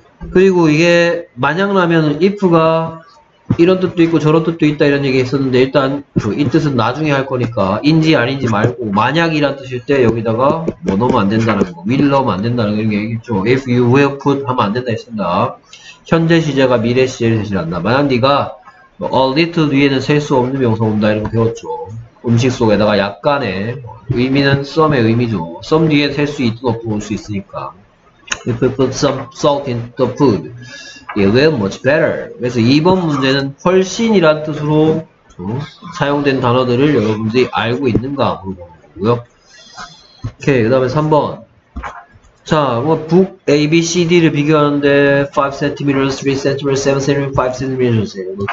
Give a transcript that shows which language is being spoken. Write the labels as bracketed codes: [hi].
[ko] 그리고 이게 만약라면 if가 이런 뜻도 있고 저런 뜻도 있다 이런 얘기 했었는데, 일단 이 뜻은 나중에 할 거니까 인지 아닌지 말고 만약이란 뜻일 때 여기다가 뭐 넣으면 안 된다는 거, will 넣으면 안 된다는 거 이렇게 얘기했죠. [en] If you will put [ko] 하면 안 된다 했습니다. 현재 시제가 미래 시제를 대신한다. 만약 네가 a little 뒤에는 셀수 없는 명사 온다 이런 거 배웠죠. 음식 속에다가 약간의 의미는 some의 의미죠. some 뒤에 셀수 있고 없고 올수 있으니까. [en] If you put some salt in the food, it will much better. [ko] 그래서 이번 문제는 훨씬이란 뜻으로 사용된 단어들을 여러분들이 알고 있는가 물어보는 거고요. 오케이, 그 다음에 3번. 자, 뭐 북, A, B, C, D를 비교하는데 5cm, 3cm, 7cm, 5cm.